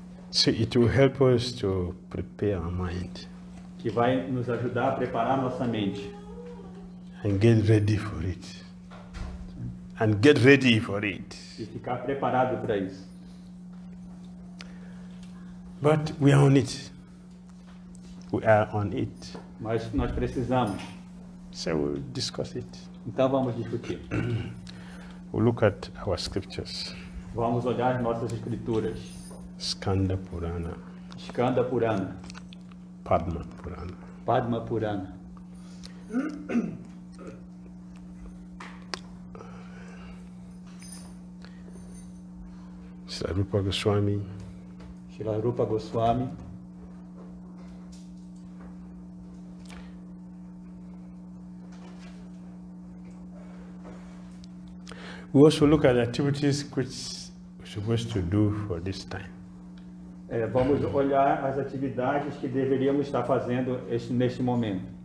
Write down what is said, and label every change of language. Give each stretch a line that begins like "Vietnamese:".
English: So it will help us to prepare our mind.
Portuguese: Que vai nos ajudar a preparar nossa mente.
English: And get ready for it. And get ready for it.
Portuguese: E ficar preparado para isso.
English: But we are on it. We are on it.
Portuguese: Mas nós precisamos.
English: So we'll discuss it.
Portuguese: Então vamos discutir.
English: We'll look at our scriptures.
Portuguese: Vamos olhar as nossas escrituras.
English: Skanda Purana.
Portuguese: Skanda Purana.
English: Padma Purana.
Portuguese: Padma Purana.
English: Srila Rupa Goswami.
Portuguese: Srila Rupa Goswami.
English: We also look at the activities which we're supposed to do for this time.
Portuguese: Vamos olhar as atividades que deveríamos estar fazendo neste momento.